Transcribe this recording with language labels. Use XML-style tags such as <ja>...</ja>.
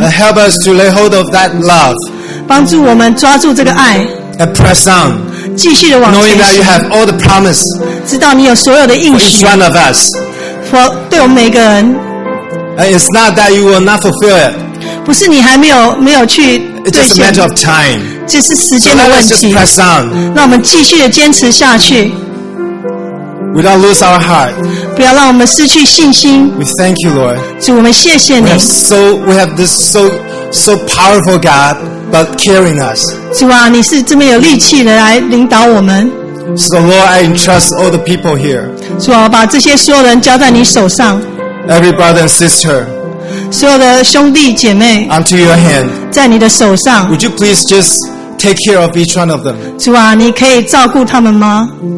<en>and help us to lay hold of that love.</en> <zh>帮助我们抓住这个爱</zh> <en>and press on.</en> <zh>继续的往前</zh> <en>knowing that you have all the promise.</en> <zh>知道你有所有的应许</zh> <en>for each one of us.</en> <zh>对我们每个人</zh> <en>and it's not that you will not fulfill it.</en> <zh>不是你还没有去</zh> <en>It's just a matter of time.</en> <zh>只是时间的问题。</zh> <en>So let us just press on.</en> <zh>让我们继续的坚持下去。</zh> <en>Without lose our heart.</en> <zh>不要让我们失去信心。</zh> <en>We thank you, Lord.</en> <zh>主，我们谢谢你。</zh> <en>We have this so powerful God, but carrying us.</en> <zh>主啊，你是这么有力气的来领导我们。</zh> <en>So Lord, I entrust all the people here.</en> <zh>主啊，我把这些所有人交在你手上。</zh> <en>Every brother and sister.</en> <zh>所有的兄弟姐妹</zh> <en>Onto your hand</en> <zh>在你的手上</zh> <en>Would you please just take care of each one of them</en> <zh>主啊你可以照顾他们吗</zh>